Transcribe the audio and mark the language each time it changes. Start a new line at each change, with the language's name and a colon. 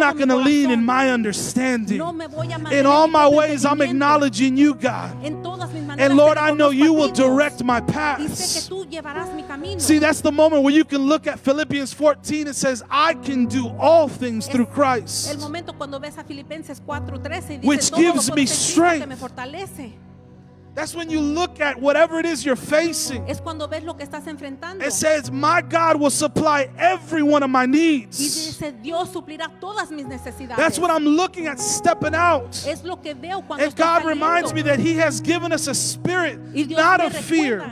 English: not going to lean
Spanish: corazón.
English: In my understanding.
Spanish: No me voy a
English: in all my ways, I'm acknowledging you, God.
Spanish: En todas mis maneras,
English: and Lord, I know you will direct my path. See, that's the moment where you can look at Philippians 14 and says, I can do all things through Christ,
Spanish: el momento cuando ves a Filipenses 4:13 y dice,
English: which gives me strength.
Spanish: Que me fortalece.
English: That's when you look at whatever it is you're facing.
Spanish: Es cuando ves lo que estás enfrentando.
English: It says, my God will supply every one of my needs.
Spanish: Y dice, Dios suplirá todas mis necesidades.
English: That's what I'm looking at stepping out.
Spanish: Es lo que veo cuando
English: and
Spanish: estoy
English: God
Spanish: saliendo.
English: Reminds me that he has given us a spirit, not of fear,